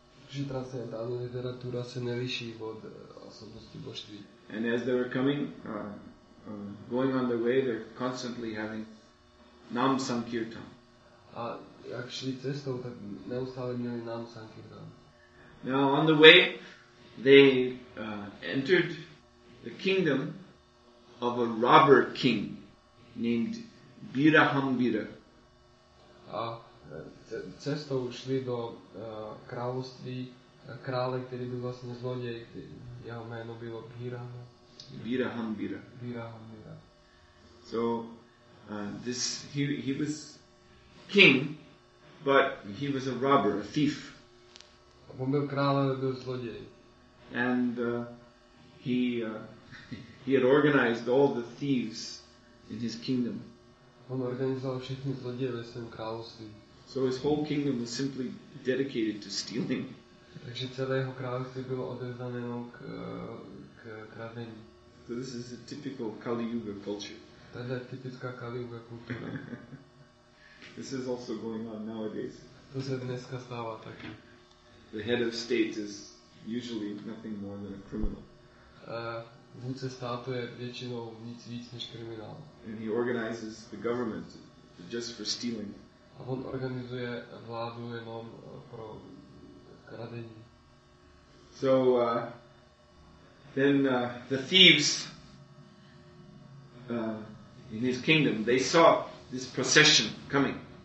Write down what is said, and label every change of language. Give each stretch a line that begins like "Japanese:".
Czech: Že transcendentální literatura se neliší od osobnosti božství.
English: And as they were coming, going on their way, they're constantly having Nam Sankirtan.
Czech: A jak šli cestou, tak neustále měli Nam Sankirtan.
English: Now on the way, they entered the kingdom of a robber king. named Birahambira.
Czech: A cestou šli do království krále, který byl vlastně zloděj, jeho jméno bylo Birahambira.
English: So this he was king, but he was a robber, a thief.
Czech: On byl král, ale byl zloděj.
English: And he had organized all the thieves in his kingdom.
Czech: On organizoval všechny zloděje ve svém království.
English: So his whole kingdom was simply dedicated to stealing.
Czech: Takže celé jeho království bylo odevzdané k kradení.
English: So this is a typical Kali Yuga culture.
Czech: Tohle je typická Kali Yuga kultura.
English: This is also going on nowadays.
Czech: To se dneska stává taky.
English: The head of state is usually nothing more than a criminal.
Czech: Vůdce státu je většinou nic víc než kriminál.
English: And he organizes the government just for stealing.
Czech: A on organizuje vládu jenom pro kradení.
English: So then the thieves in his kingdom, they saw this procession coming.